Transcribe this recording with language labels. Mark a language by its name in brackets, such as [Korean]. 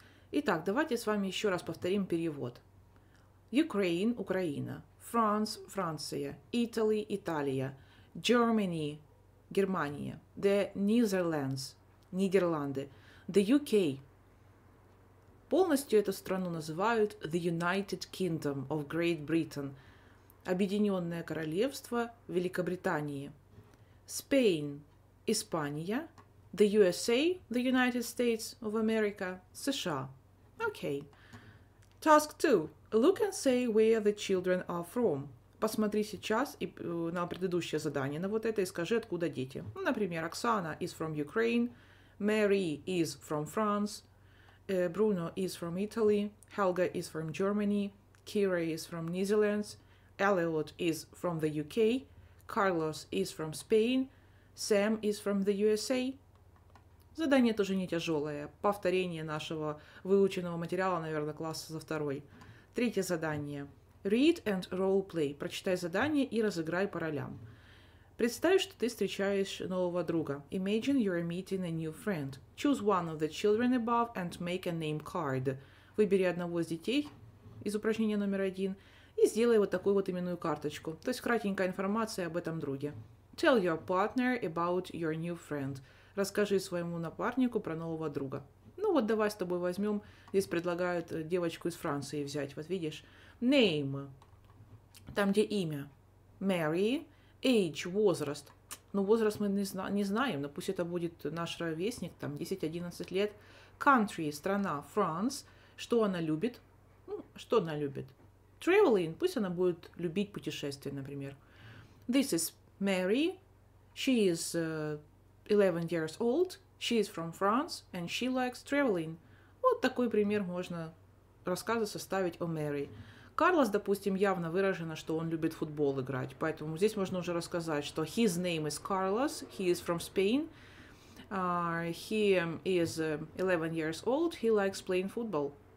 [Russian] Итак, давайте с вами еще раз повторим перевод. Ukraine, Украина. France, Франция. Italy, Италия. Germany, Германия. [English] The Netherlands, Нидерланды. The UK. [Russian] Полностью эту страну называют The United Kingdom of Great Britain. Объединенное королевство Великобритании. Spain, Испания. [English] The USA, the United States of America, США. Okay. Task 2. Look and say where the children are from. [Russian] Посмотри сейчас и на предыдущее задание, на вот это, и скажи, откуда дети. [English] Например, Оксана is from Ukraine, Mary is from France, Bruno is from Italy, Helga is from Germany, Kira is from New Zealand, Elliot is from the UK, Carlos is from Spain, Sam is from the USA. [Russian] Задание тоже не тяжелое. Повторение нашего выученного материала, наверное, класса за второй. Третье задание. [English] Read and role play. [Russian] Прочитай задание и разыграй по ролям. Представь, что ты встречаешь нового друга. [English] Imagine you're meeting a new friend. Choose one of the children above and make a name card. [Russian] Выбери одного из детей из упражнения номер один и сделай вот такую вот именную карточку. То есть кратенькая информация об этом друге. [English] Tell your partner about your new friend. [Russian] Расскажи своему напарнику про нового друга. Ну вот давай с тобой возьмем, здесь предлагают девочку из Франции взять, вот видишь. Name, там где имя. Mary, age, возраст. Ну возраст мы не знаем, но пусть это будет наш ровесник, там 10-11 лет. Country, страна, France, что она любит? Ну, что она любит? Traveling, пусть она будет любить путешествия, например. [English] This is Mary, she is... 11 years old, she is from France, and she likes traveling. [Russian] Вот такой пример можно рассказы составить о Мэри. Карлос, допустим, явно выражено, что он любит футбол играть, поэтому здесь можно уже рассказать, что [English] his name is Carlos, he is from Spain, he is 11 years old, he likes playing football.